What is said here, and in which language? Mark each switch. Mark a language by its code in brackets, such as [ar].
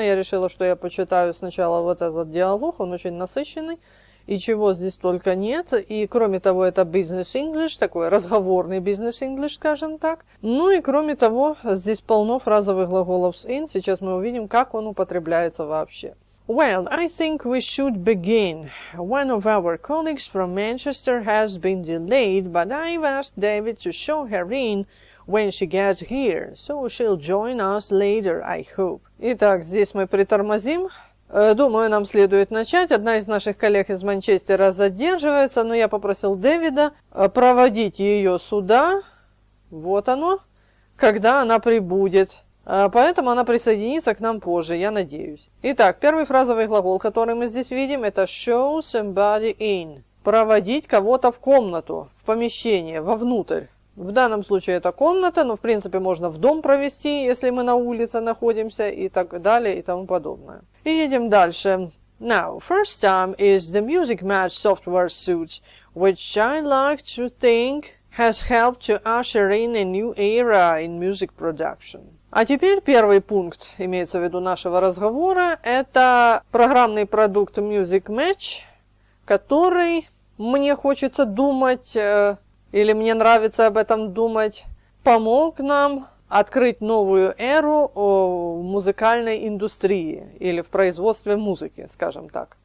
[ru] Я решила, что я почитаю сначала вот этот диалог, он очень насыщенный. И чего здесь только нет. И кроме того, это business English, такой разговорный business English, скажем так. Ну и кроме того, здесь полно фразовых глаголов с in. Сейчас мы увидим, как он употребляется вообще. [en] Well, I think we should begin. One of our colleagues from Manchester has been delayed, but I've asked David to show her in when she gets here, so she'll join us later, I hope. [ru] Итак, здесь мы притормозим. Думаю, нам следует начать. Одна из наших коллег из Манчестера задерживается, но я попросил Дэвида проводить ее сюда. Вот оно, когда она прибудет. Поэтому она присоединится к нам позже, я надеюсь. Итак, первый фразовый глагол, который мы здесь видим, это [en] show somebody in. [ru] Проводить кого-то в комнату, в помещение, вовнутрь. В данном случае это комната, но в принципе можно в дом провести, если мы на улице находимся и так далее и тому подобное. И едем дальше. [en] Now, first time is the music match software suite, which I like to think has helped to usher in a new era in music production. [ru] А теперь первый пункт, имеется в виду нашего разговора, это программный продукт Music Match, который мне хочется думать, или мне нравится об этом думать, помог нам открыть новую эру в музыкальной индустрии, или в производстве музыки, скажем так.